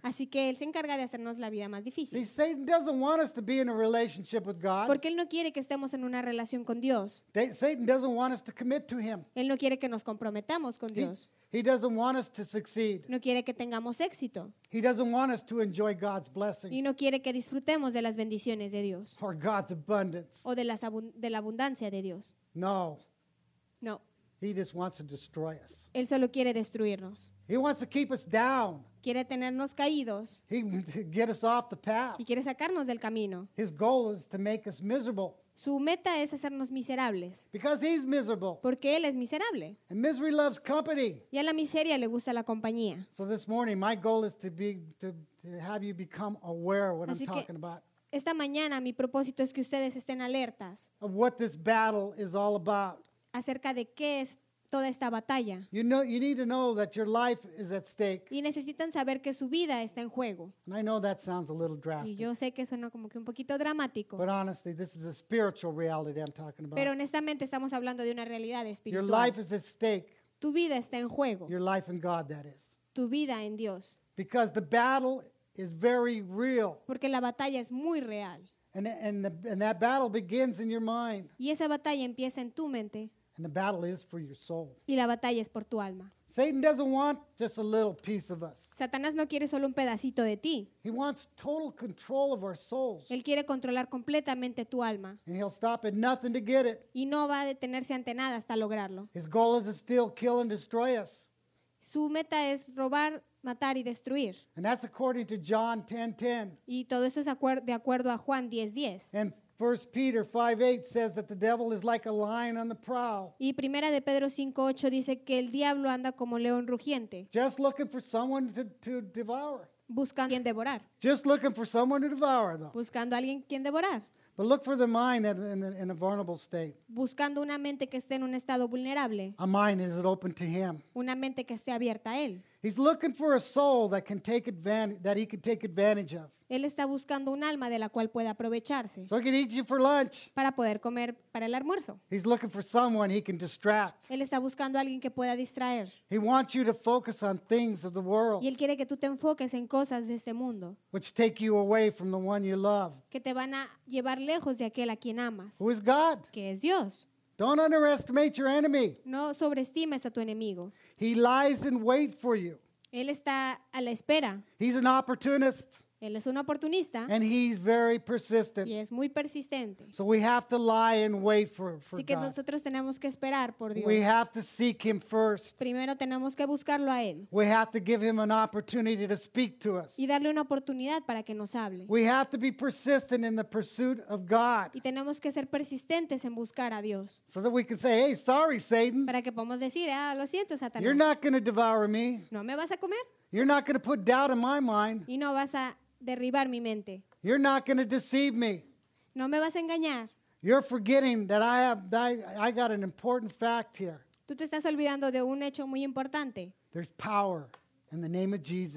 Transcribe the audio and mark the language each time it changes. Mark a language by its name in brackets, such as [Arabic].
[Spanish] Así que él se encarga de hacernos la vida más difícil. [English] See, Satan doesn't want us to be in a relationship with God. [Spanish] Porque él no quiere que estemos en una relación con Dios. [English] Satan doesn't want us to commit to him. [Spanish] Él no quiere que nos comprometamos con Dios. [English] He doesn't want us to succeed. [Spanish] No quiere que tengamos éxito. [English] He doesn't want us to enjoy God's blessings. [Spanish] Y no quiere que disfrutemos de las bendiciones de Dios. [English] Or God's abundance. [Spanish] O de la abundancia de Dios. [English] No. [Spanish] No. [English] He just wants to destroy us. [Spanish] Él solo quiere destruirnos. [English] He wants to keep us down. [Spanish] Quiere tenernos caídos. [English] He get us off the path. [Spanish] Y quiere sacarnos del camino. [English] His goal is to make us miserable. [Spanish] Su meta es hacernos miserables. [English] Because he's miserable. [Spanish] Porque él es miserable. [English] And misery loves company. [Spanish] Y a la miseria le gusta la compañía. [English] So this morning my goal is to have you become aware of what [Spanish] así [English] I'm talking about. [Spanish] Esta mañana mi propósito es que ustedes estén alertas. [English] Of what this battle is all about. [Spanish] Acerca de qué es toda esta batalla. [English] You know, you need to know that your life is at stake. [Spanish] Y necesitan saber que su vida está en juego. [English] And I know that sounds a little drastic. [Spanish] Y yo sé que suena como que un poquito dramático. [English] But honestly, this is a spiritual reality I'm talking about. [Spanish] Pero honestamente estamos hablando de una realidad espiritual. [English] Your life is at stake. [Spanish] Tu vida está en juego. [English] Your life in God, that is. [Spanish] Tu vida en Dios. [English] Because the battle is very real. [Spanish] Porque la batalla es muy real. [English] And that battle begins in your mind. [Spanish] Y esa batalla empieza en tu mente. [English] And the battle is for your soul. [Spanish] Y la batalla es por tu alma. [English] Satan doesn't want just a little piece of us. [Spanish] Satanás no quiere solo un pedacito de ti. [English] He wants total control of our souls. [Spanish] Él quiere controlar completamente tu alma. [English] And he'll stop at nothing to get it. [Spanish] Y no va a detenerse ante nada hasta lograrlo. [English] His goal is to steal, kill, and destroy us. [Spanish] Su meta es robar, matar y destruir. [English] And that's according to John 10:10. [Spanish] Y todo eso es de acuerdo a Juan 10:10. [English] And 1 Peter 5:8 says that the devil is like a lion on the prowl. [Spanish] Y Primera de Pedro 5:8 dice que el diablo anda como león rugiente. [English] Just looking for someone to devour. [Spanish] Buscando quien devorar. [English] Just looking for someone to devour, though. [Spanish] Buscando a alguien quien devorar. [English] But look for the mind that in a vulnerable state. [Spanish] Buscando una mente que esté en un estado vulnerable. [English] A mind is it open to him. [Spanish] Una mente que esté abierta a él. [English] He's looking for a soul that can take that he can take advantage of. [Spanish] Él está buscando un alma de la cual pueda aprovecharse. [English] So he can eat you for lunch. [Spanish] Para poder comer para el almuerzo. [English] He's looking for someone he can distract. [Spanish] Él está buscando a alguien que pueda distraer. [English] He wants you to focus on things of the world. [Spanish] Y él quiere que tú te enfoques en cosas de este mundo. [English] Which take you away from the one you love. [Spanish] Que te van a llevar lejos de aquel a quien amas. [English] Who is God? [Spanish] Que es Dios. [English] Don't underestimate your enemy. [Spanish] No sobreestimes a tu enemigo. [English] He lies in wait for you. [Spanish] Él está a la espera. [English] He's an opportunist. [Spanish] Él es un oportunista. [English] And he's very persistent. [Spanish] Y es muy persistente. [English] So we have to lie in wait for [Spanish] Así que [English] God. [Spanish] Nosotros tenemos que esperar por Dios. [English] We have to seek him first. [Spanish] Primero tenemos que buscarlo a él. [English] We have to give him an opportunity to speak to us. [Spanish] Y darle una oportunidad para que nos hable. [English] We have to be persistent in the pursuit of God. [Spanish] Y tenemos que ser persistentes en buscar a Dios. [English] So that we can say, hey, sorry, Satan. [Spanish] Para que podamos decir, ah, lo siento, Satanás. [English] You're not going to devour me. [Spanish] No me vas a comer. [English] You're not going to put doubt in my mind. [Spanish] Y no vas a derribar mi mente. [English] You're not going to deceive me. [Spanish] No me vas a engañar. [English] You're forgetting that I got an important fact here. [Spanish] Tú te estás olvidando de un hecho muy importante. [English] There's power in the name of Jesus.